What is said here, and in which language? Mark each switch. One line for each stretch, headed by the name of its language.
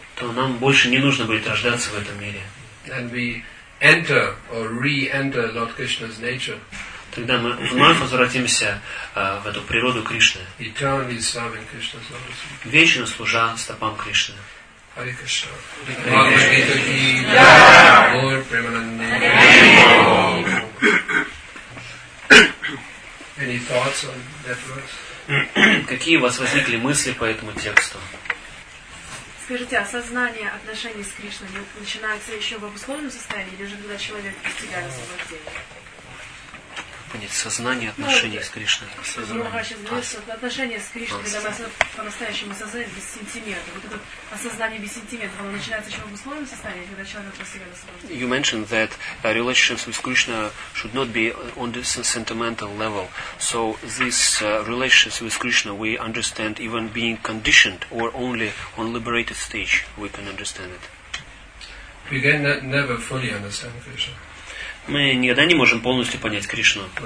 Russian: То нам больше не нужно будет рождаться в этом мире.
English: And we enter or re-enter Lord Krishna's nature.
Russian: Тогда мы вновь возвратимся в эту природу Кришны.
English: Eternally serving Krishna's lotus feet.
Russian: Вечно служа стопам Кришны.
English: Hare Krishna. Bhagavad Gita ki jai. Lord Premanandi. Any thoughts on that verse?
Russian: Какие у вас возникли мысли по этому тексту? Скажите, осознание отношений с Кришной начинается еще в обусловленном состоянии или же когда человек достигает освобождения? Понять сознание отношений с Кришной. Отношения с Кришной, когда мы по-настоящему осознаем без сентиментов. Вот это осознание без сентиментов, оно начинается еще в обусловленном состоянии, когда человек достигает освобождения.
English: You mentioned that relationships with Krishna should not be on this sentimental level. So this relationships with Krishna we understand even being conditioned or only on liberated stage we can understand it. We can never fully understand Krishna.
Russian: Мы никогда не можем полностью понять Кришну.